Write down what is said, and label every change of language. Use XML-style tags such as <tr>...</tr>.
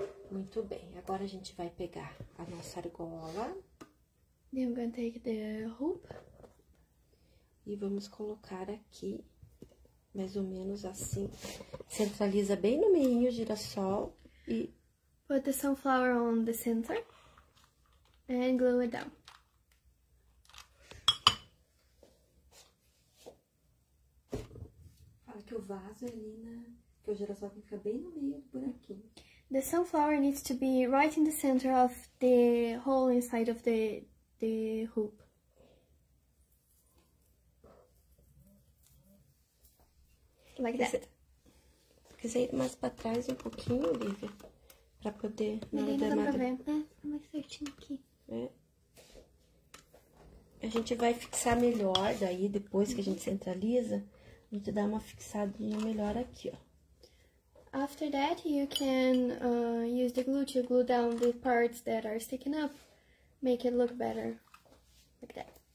<pt>Muito bem, agora a gente vai pegar a nossa argola.</pt> <en>Then I'm gonna take the hoop.</en> <pt>E vamos colocar aqui, mais ou menos assim. Centraliza bem no meio o girassol e...</pt> <en>Put the sunflower on the center and glue it down.</en> <pt>Fala que o vaso é ali, né? Que o girassol tem que ficar bem no meio do buraquinho.</pt> <en>The sunflower needs to be right in the center of the hole inside of the hoop. Like that.</en> <pt>Se quiser ir mais para trás um pouquinho, Olivia, para poder... Não, não tem problema. É, mais certinho aqui. É. A gente vai fixar melhor daí, depois que a gente centraliza, a gente dá uma fixadinha melhor aqui, ó.</pt> <en>After that, you can use the glue to glue down the parts that are sticking up, make it look better, like that.</en>